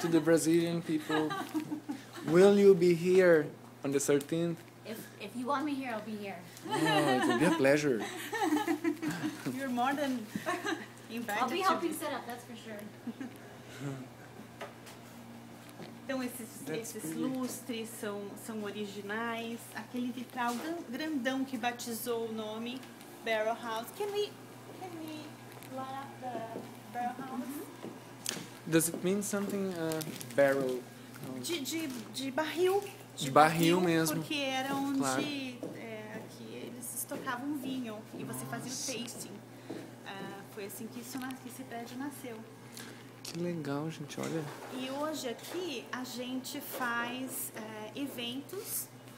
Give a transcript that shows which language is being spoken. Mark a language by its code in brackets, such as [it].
[en] To the Brazilian people. Will you be here on the 13th? If you want me here, I'll be here. Oh, it would be a pleasure. You're more than invited. I'll be helping set up, that's for sure. [pt] Então, esses lustres são originais. Aquele vitral grandão que batizou o nome, Barrel House. [en] Can we light up the Barrel House? Does it mean something, barrel? [pt] De barril. De barril mesmo. Porque era onde claro. Aqui eles estocavam vinho. Nossa. E você fazia o tasting. Foi assim que esse prédio nasceu. Que legal, gente, olha. E hoje aqui a gente faz eventos.